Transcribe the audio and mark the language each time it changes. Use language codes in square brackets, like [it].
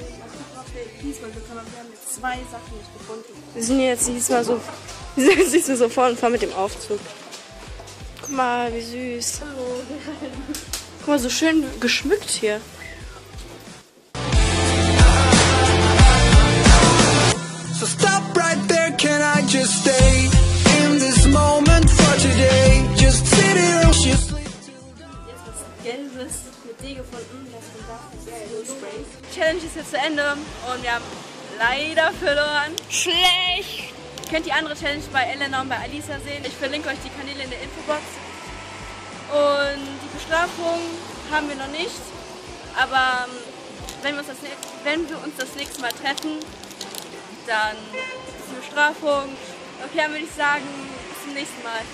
[de] wir gucken, ob wir diesmal bekommen. Wir haben jetzt zwei Sachen nicht gefunden. Wir sind jetzt diesmal so vorne und fahren mit dem Aufzug. Guck mal, wie süß. Hallo. Guck mal, so schön geschmückt hier. [en] So stop right there, can I just stay in this moment for today? Just sit here and just sleep. [de] Gelbes mit D gefunden, das ist ein Spray. Challenge ist jetzt zu Ende und wir haben leider verloren. Schlecht! Ihr könnt die andere Challenge bei Elena und bei Alicia sehen. Ich verlinke euch die Kanäle in der Infobox. Und die Bestrafung haben wir noch nicht. Aber wenn wir uns das nächste Mal treffen, dann ist die Bestrafung. Okay, dann würde ich sagen, bis zum nächsten Mal.